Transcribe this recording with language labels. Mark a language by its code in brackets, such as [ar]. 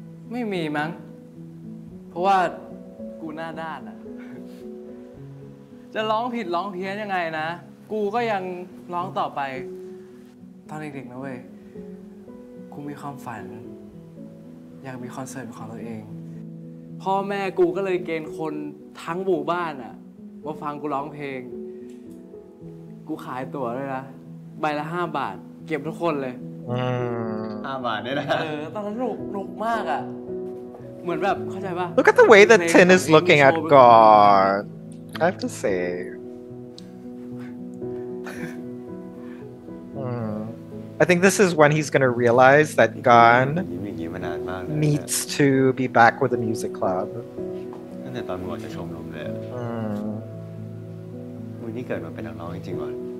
[th] ไม่มีมั้งเพราะว่ากูหน้าด้านอ่ะจะร้องผิดร้องเพี้ยนยังไงนะกูก็ยังร้องต่อไปตอนเด็กๆนะเว้ยกูมีความฝันอยากมีคอนเสิร์ตของตัวเองพ่อแม่กูก็เลยเกณฑ์คนทั้งหมู่บ้านอ่ะมาฟังกูร้องเพลงกูขายตั๋วเลยนะใบละ5บาทเก็บทุกคนเลย 5บาทเนี่ ยนะ เออตอนนั้นหนุกมากอ่ะเหมือนแบบเข้าใจป่ะ [en] Look at the way that Tin is looking at God I have to say I think this is when he's going to realize that Gon needs to be back with the music club [th] ตั้งแต่ตอนมึงจะชมรมเลยมึงนี่เกิดมาเป็นนักร้องจริงๆว่ะ